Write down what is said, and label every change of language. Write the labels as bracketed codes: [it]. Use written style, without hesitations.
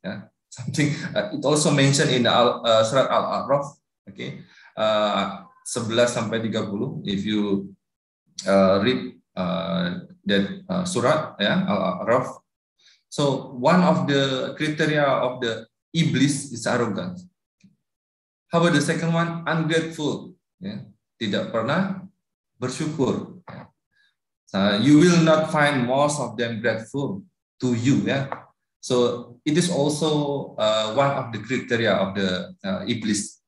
[en] Yeah. Something it also mentioned in surat Al-A'raf, okay, 11-30. If you read that surat, yeah, Al-A'raf. So one of the criteria of the iblis is arrogance. How about the second one? Ungrateful. Yeah. [id] Tidak pernah bersyukur. [en] You will not find most of them grateful to you. Yeah. So it is also one of the criteria of the iblis.